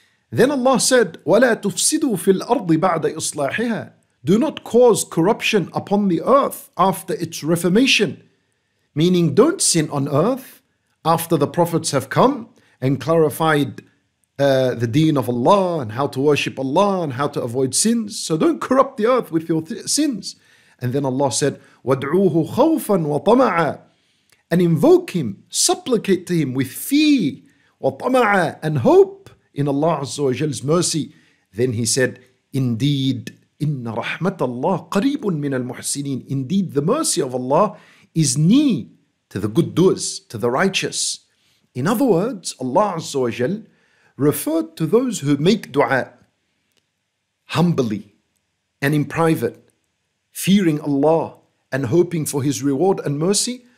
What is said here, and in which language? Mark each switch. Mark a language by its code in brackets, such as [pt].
[en] Then Allah said, [ar] وَلَا تُفْسِدُوا فِي الْأَرْضِ بَعْدَ إِصْلَاحِهَا. [en] Do not cause corruption upon the earth after its reformation. Meaning, don't sin on earth after the prophets have come and clarified the deen of Allah and how to worship Allah and how to avoid sins. So don't corrupt the earth with your sins. And then Allah said, [ar] وَادْعُوهُ خَوْفًا وَطَمَعًا, [en] and invoke him, supplicate to him with fear, [ar] وَطَمَعًا, [en] and hope in Allah Azza wa Jal's mercy. Then he said, indeed, [ar] إِنَّ رَحْمَةَ اللَّهِ قَرِيبٌ مِّنَ الْمُحْسِنِينَ. [en] Indeed, the mercy of Allah is near to the good doers, to the righteous. In other words, Allah Azza wa Jal referred to those who make dua humbly and in private, fearing Allah and hoping for his reward and mercy.